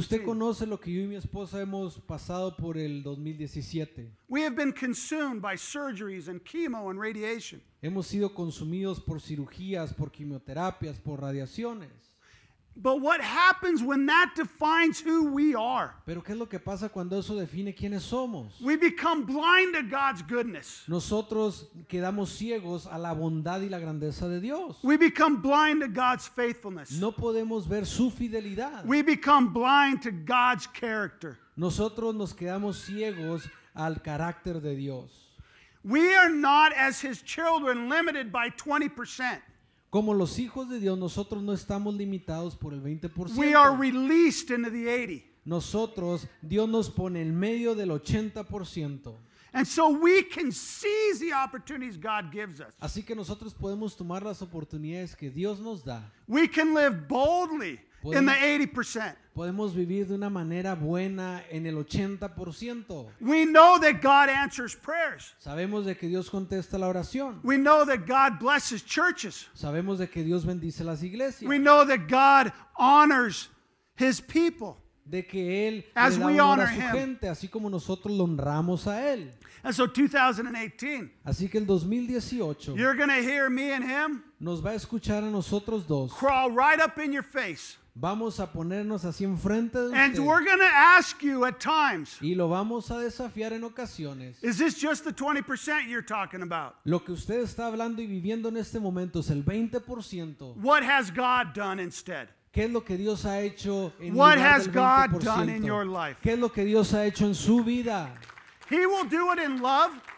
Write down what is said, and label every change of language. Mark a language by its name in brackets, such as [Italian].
[Spanish] Usted conoce lo que yo y mi esposa hemos pasado por el 2017. [English] We have been consumed by surgeries and chemo and radiation. [Spanish] Hemos sido consumidos por cirugías, por quimioterapias, por radiaciones. [English] But what happens when that defines who we are? [Spanish] Pero ¿qué es lo que pasa cuando eso define quiénes somos? [English] We become blind to God's goodness. [Spanish] Nosotros quedamos ciegos a la bondad y la grandeza de Dios. [English] We become blind to God's faithfulness. [Spanish] No podemos ver su fidelidad. [English] We become blind to God's character. [Spanish] Nosotros nos quedamos ciegos al carácter de Dios. [English] We are not as his children limited by 20%. [Spanish] Como los hijos de Dios, nosotros no estamos limitados por el 20%. [English] We are released into the 80%. [Spanish] Nosotros, Dios nos pone en medio del 80%. [English] And so we can seize the opportunities God gives us. [Spanish] Así que nosotros podemos tomar las oportunidades que Dios nos da. [English] We can live boldly in the 80%. [Spanish] Podemos vivir de una manera buena en el 80%. [English] We know that God answers prayers. [Spanish] Sabemos de que Dios contesta la oración. [English] We know that God blesses churches. [Spanish] Sabemos de que Dios bendice las iglesias. [English] We know that God honors his people. [Spanish] De que él as le da [English] we honor [Spanish] a su him. Gente, así como nosotros lo honramos a él. [English] And so 2018. [Spanish] Así que el 2018. [English] You're going to hear me and him. [Spanish] Nos va a escuchar a nosotros dos. [English] Crawl right up in your face. [Spanish] Vamos a ponernos así enfrente de usted. [English] And we're going to ask you at times. [Spanish] Y lo vamos a desafiar en ocasiones. [English] Is this just the 20% you're talking about? [Spanish] Lo que usted está hablando y viviendo en este momento es el 20%. [English] What has God done instead? [Spanish] ¿Qué es lo que Dios ha hecho en su vida? [English] What has God done in your life? [Spanish] ¿Qué es lo que Dios ha hecho en su vida? [English] He will do it in love.